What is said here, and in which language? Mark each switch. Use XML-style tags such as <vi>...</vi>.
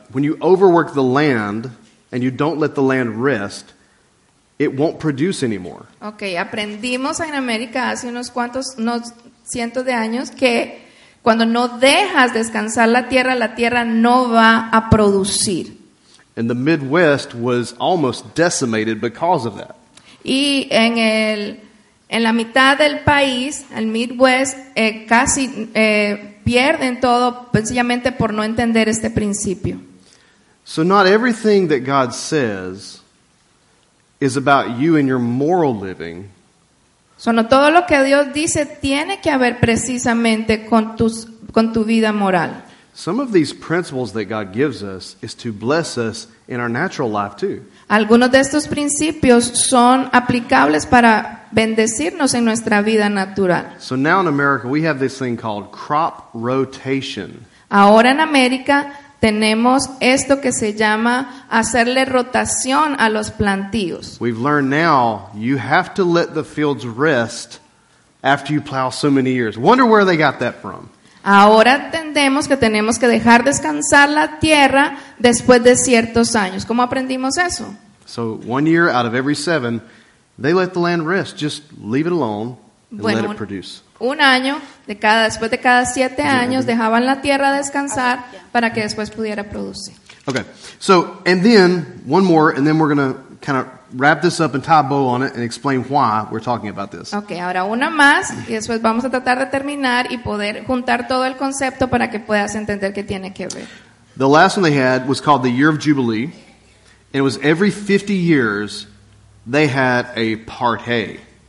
<en>When you overwork the land, and you don't let the land rest, it won't produce anymore.</en> <es>Okay, aprendimos en América hace unos cientos de años que cuando no dejas descansar la tierra no va a producir.</es> <en>And the Midwest was almost decimated because of that.</en> <es>Y en la mitad del país, el Midwest casi pierden todo sencillamente por no entender este principio.</es> <en>So not everything that God says is about you and your moral living.</en> <es>So, no todo lo que Dios dice tiene que ver precisamente con tu vida moral.</es> <en>Some of these principles that God gives us is to bless us in our natural life too.</en> <es>Algunos de estos principios son aplicables para bendecirnos en nuestra vida natural.</es> <en>So now in America we have this thing called crop rotation.</en> <es>Ahora en América tenemos esto que se llama hacerle rotación a los plantíos.</es> <en>We've learned now you have to let the fields rest after you plow so many years. Wonder where they got that from.</en> <es>Ahora entendemos que tenemos que dejar descansar la tierra después de ciertos años. ¿Cómo aprendimos eso?</es> <en>So 1 year out of every 7, they let the land rest. Just leave it alone and</en> <es>bueno,</es> <en>let it produce.</en> <es>Un año después de cada 7 años dejaban la tierra descansar para que después pudiera producir.</es> <en>Okay. So, and then one more and then we're going to kind of wrap this up and tie a bow on it and explain why we're talking about this.</en> <es>Okay, ahora una más y después vamos a tratar de terminar y poder juntar todo el concepto para que puedas entender qué tiene que ver.</es> <en>The last one they had was called the Year of Jubilee, and it was every 50 years they had a party.</en>